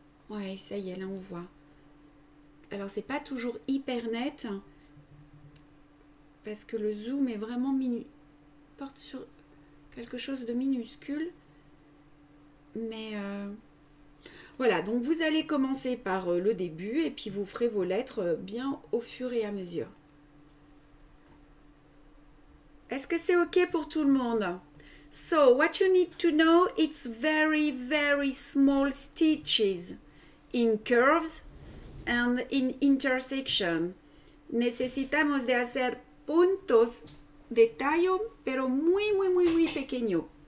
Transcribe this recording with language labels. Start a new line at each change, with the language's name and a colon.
French: Ouais, ça y est, là on voit. Alors c'est pas toujours hyper net parce que le zoom est vraiment porte sur quelque chose de minuscule. Mais voilà, donc vous allez commencer par le début et puis vous ferez vos lettres bien au fur et à mesure. Est-ce que c'est OK pour tout le monde?
English: So, what you need to know, it's very, very small stitches. In curves and in intersection.
Spanish: Necesitamos de hacer puntos de tallo, pero muy, muy, muy, muy pequeño.